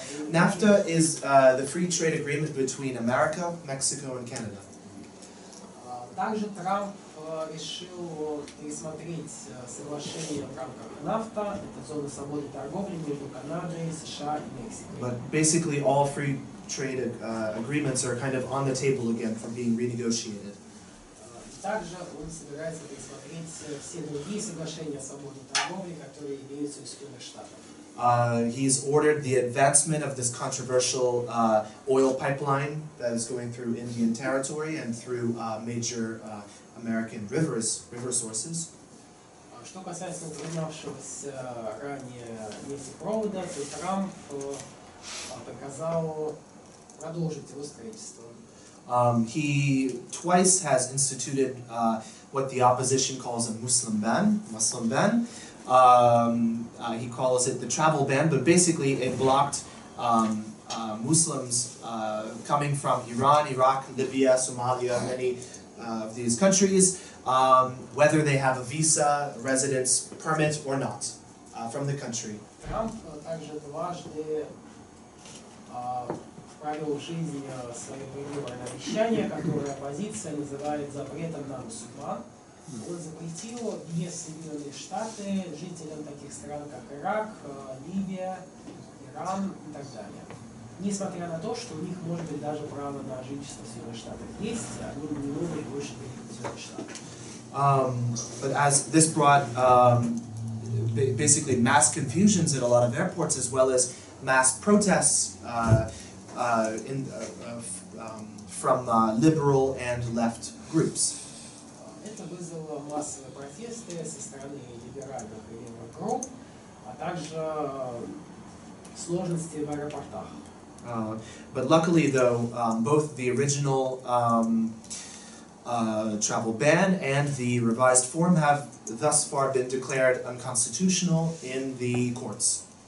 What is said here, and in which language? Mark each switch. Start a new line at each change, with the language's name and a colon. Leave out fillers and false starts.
English: NAFTA is the free trade agreement between America, Mexico, and Canada.
Russian: Также Трамп решил пересмотреть соглашение в рамках НАФТА, это зона свободной торговли между Канадой, США и Мексикой.
English: But basically all free trade agreements are kind of on the table again for being renegotiated.
Russian: Также он собирается пересмотреть все другие соглашения о свободной торговле, которые имеются у Соединенных Штатов.
English: He's ordered the advancement of this controversial oil pipeline that is going through Indian territory and through major American river sources.
Russian: Что касается упоминавшегося ранее нефтепровода, то Трамп приказал продолжить его строительство.
English: He twice has instituted what the opposition calls a Muslim ban. He calls it the travel ban, but basically it blocked Muslims coming from Iran, Iraq, Libya, Somalia, many of these countries, whether they have a visa, residence permit or not, from the country.
Russian: Trump также дважды провел в жизни свое выборное обещание, которое оппозиция называет запретом на мусульман. Он запретил въезд в Соединенные Штаты жителям таких стран, как Ирак, Ливия, Иран и так далее. Несмотря на то, что у них, может быть, даже право на жительство в Соединенных Штатах есть, они не могут больше приехать в Соединенные Штаты.
English: But as this brought basically mass confusions at a lot of airports, as well as mass protests from liberal and left groups.
Russian: Это вызвало массовые протесты со стороны либеральных и левых групп, а также сложности в аэропортах.
English: But luckily, though, both the original travel ban and the revised form have thus far been declared unconstitutional in the courts.